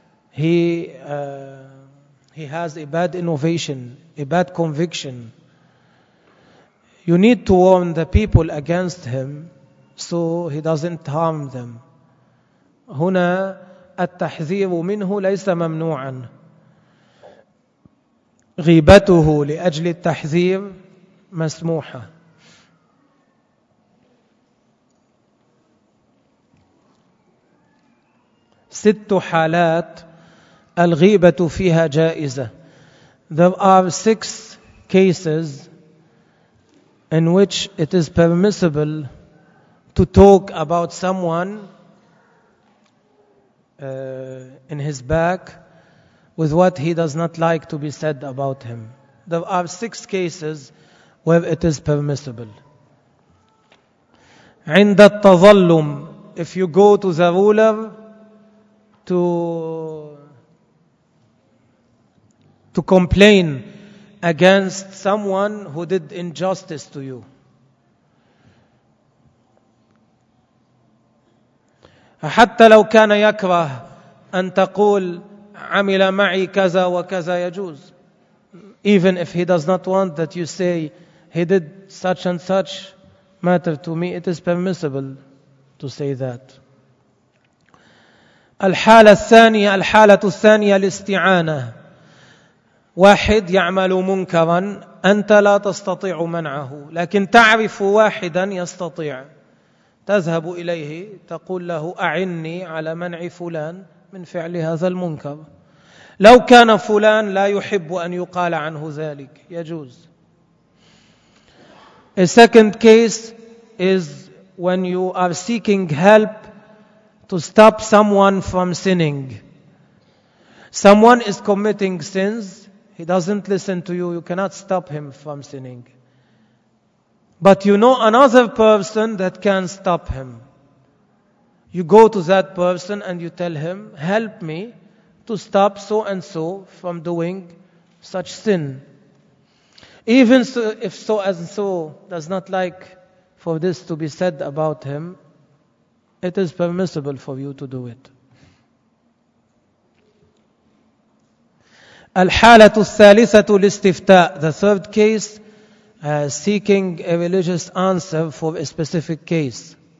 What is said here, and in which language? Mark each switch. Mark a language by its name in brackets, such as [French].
[English] He has a bad innovation, a bad conviction. You need to warn the people against him so he doesn't harm them. [Arabic] هنا التحذير منه ليس ممنوعا. غيبته لأجل التحذير مسموحة. ست حالات الغيبة فيها جائزة. [English] There are six cases in which it is permissible to talk about someone in his back with what he does not like to be said about him. There are six cases where it is permissible. [Arabic] عند التظلم, [English] if you go to the ruler to complain against someone who did injustice to you. [Arabic] حتى لو كان يكره أن تقول عمل معي كذا وكذا يجوز. [English] Even if he does not want that you say he did such and such matter to me, it is permissible to say that. [Arabic] الحالة الثانية, الحالة الثانية الاستعانة. واحد يعمل منكرا أنت لا تستطيع منعه, لكن تعرف واحدا يستطيع, تذهب إليه تقول له أعني على منع فلان من فعل هذا المنكر. لو كان فلان لا يحب أن يقال عنه ذلك يجوز. [English] A second case is when you are seeking help to stop someone from sinning. Someone is committing sins, he doesn't listen to you, you cannot stop him from sinning. But you know another person that can stop him. You go to that person and you tell him, help me to stop so and so from doing such sin. Even so, if so and so does not like for this to be said about him, it is permissible for you to do it. [Arabic] الحالة الثالثة الاستفتاء. [English] The third case, seeking a religious answer for a specific case.